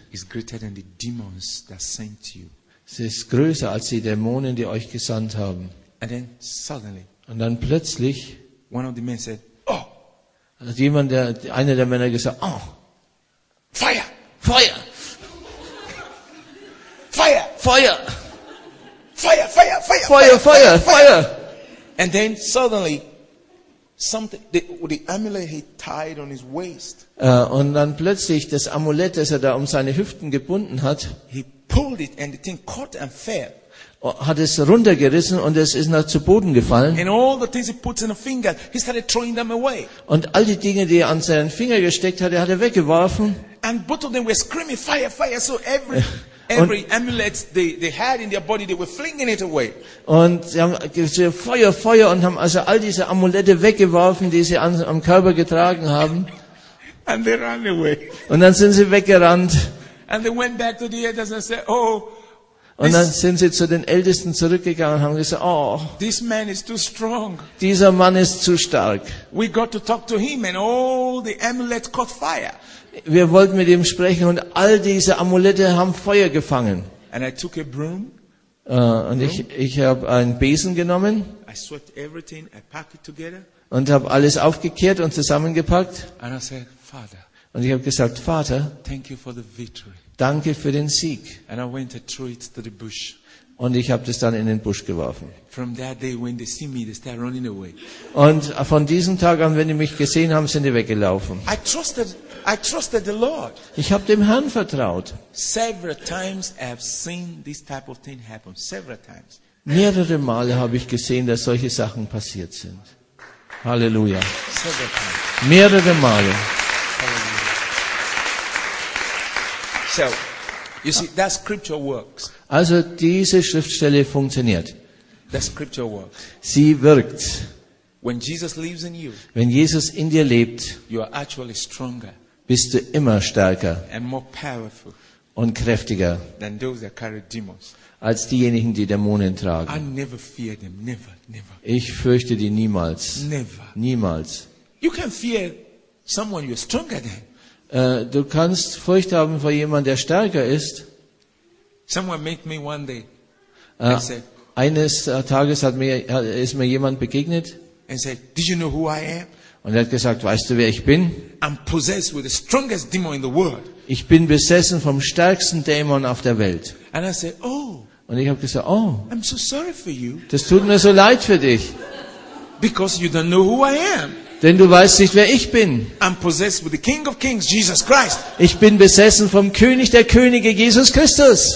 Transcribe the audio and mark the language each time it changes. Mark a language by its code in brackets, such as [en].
[en] is greater than the demons that sent you. [de] Es ist größer als die Dämonen, die euch gesandt haben. [en] And then suddenly, [de] und dann plötzlich [en] one of the men said, oh, [de] hat jemand, der, einer der Männer gesagt, oh, Feuer! Feuer! Feuer! Feuer! [en] Fire, fire, fire, fire, fire, fire, fire. And then suddenly, something, the amulet he tied on his waist. [de] Und dann plötzlich das Amulett, das er da um seine Hüften gebunden hat, [en] he pulled it and the thing caught and fell. [de] Hat es runtergerissen und es ist nach zu Boden gefallen. [en] And all the things he puts in the finger, he started throwing them away. [de] Und all die Dinge, die er an seinen Finger gesteckt hat, er hat er weggeworfen. [en] And both of them were screaming, fire, fire, so every amulet they had in their body, they were flinging it away. [de] Und sie haben Feuer, Feuer, und haben also all diese Amulette weggeworfen, die sie am Körper getragen haben. [en] And they ran away. [de] Und dann sind sie weggerannt. [en] And they went back to the elders and said, oh. [de] Und dann sind sie zu den Ältesten zurückgegangen und haben gesagt, oh. [en] This man is too strong. [de] Dieser Mann ist zu stark. [en] We got to talk to him and all the amulets caught fire. [de] Wir wollten mit ihm sprechen und all diese Amulette haben Feuer gefangen. [en] And I took a broom. [de] Und ich habe einen Besen genommen. [en] I swept everything, I packed it together. [de] Und habe alles aufgekehrt und zusammengepackt. [en] And I said, Father, [de] und ich habe gesagt, Vater, [en] thank you for the victory. [de] Danke für den Sieg. [en] And I went and threw it to the bush. [de] Und ich habe das dann in den Busch geworfen. [en] From that day when they see me, they start running away. [de] Und von diesem Tag an, wenn die mich gesehen haben, sind die weggelaufen. [en] I trusted the Lord. [de] Ich habe dem Herrn vertraut. [en] Several times I have seen this type of thing happen. Several times. [de] Mehrere Male habe ich gesehen, dass solche Sachen passiert sind. Halleluja. [en] Several times. [de] Mehrere Male. Halleluja. [en] So, you see, that scripture works. [de] Also diese Schriftstelle funktioniert. [en] That scripture works. [de] Sie wirkt. [en] When Jesus lives in you, [de] wenn Jesus in dir lebt, [en] you are actually stronger. [de] Bist du immer stärker [en] and more powerful [de] und kräftiger [en] than those that carry demons. [de] Als diejenigen, die Dämonen tragen. [en] I never fear them. Never, never. [de] Ich fürchte die niemals. [en] Never. [de] Niemals. [en] You can fear someone you're stronger than. [de] Du kannst Furcht haben vor jemandem, der stärker ist. [en] Someone met me one day. [de] Eines Tages ist mir jemand begegnet. [en] And said, "Did you know who I am?" [de] Und er hat gesagt, weißt du, wer ich bin? [en] I'm possessed with the strongest demon in the world. [de] Ich bin besessen vom stärksten Dämon auf der Welt. [en] And I said, "Oh." [de] Und ich habe gesagt, oh. [en] I'm so sorry for you. [de] Das tut mir so leid für dich. [en] Because you don't know who I am. [de] Denn du weißt nicht, wer ich bin. [en] I'm possessed with the King of Kings, Jesus Christ. [de] Ich bin besessen vom König der Könige, Jesus Christus.